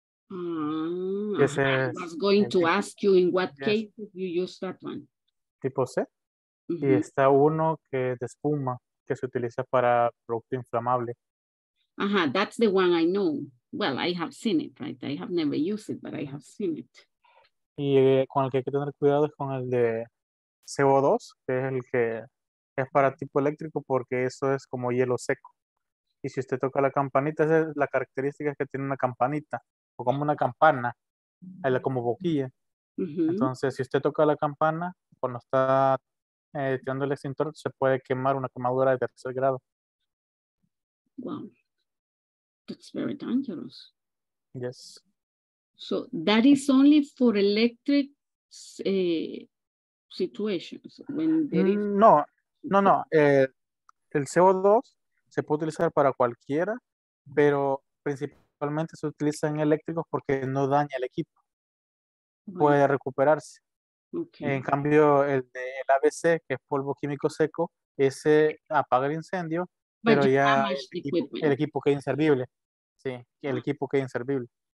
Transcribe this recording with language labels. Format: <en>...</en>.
<en>Mm, ese I was going to ask you in what yes. case you use that one.</en> <es>Tipo C. Mm-hmm. Y está uno que de espuma que se utiliza para producto inflamable.</es> <en>Ajá, uh-huh, that's the one I know. Well, I have seen it, right? I have never used it, but I have seen it.</en> <es>Y con el que hay que tener cuidado es con el de CO2, que es el que es para tipo eléctrico, porque eso es como hielo seco. Y si usted toca la campanita, esa es la característica, es que tiene una campanita, o como una campana, como boquilla. Uh-huh. Entonces, si usted toca la campana, cuando está tirando el extintor, se puede quemar una quemadura de tercer grado.</es> <en>Wow. That's very dangerous. Yes. So, that is only for electric situations when there is</en> <es>no el CO2 se puede utilizar para cualquiera, pero principalmente se utiliza en eléctricos porque no daña el equipo. Bueno. Puede recuperarse.</es> <en>Okay.</en> <es>En cambio el ABC, que es polvo químico seco, ese apaga el incendio, pero ya el equipo queda inservible. Sí, el equipo queda inservible.</es>